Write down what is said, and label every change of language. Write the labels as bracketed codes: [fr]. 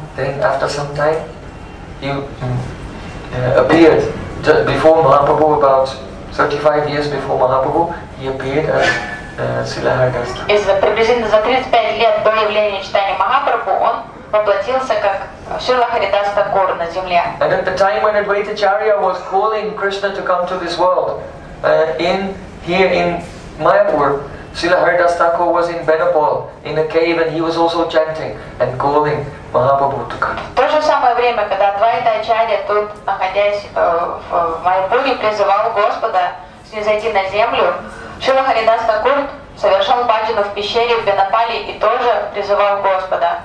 [en] Then after some time he appeared. Before Mahaprabhu, about 35 years before Mahaprabhu, he appeared as Srila Haridasa. [ru] Из приблизительно за 35 лет до явления читания Махапрабху он воплотился как Шрила Харидаса Гор на земле. [en] And at the time when Advaita Acharya was calling Krishna to come to this world, here in Mayapur, Srila Haridasa Gor was in Benapol in a cave and he was also chanting and calling. [ru] В то же самое время, когда Адвайта Ачарья тут, находясь в Майяпуре, призывал Господа снизойти на землю, Шрила Харидас Такур совершал баджану в пещере в Бенапале и тоже призывал Господа.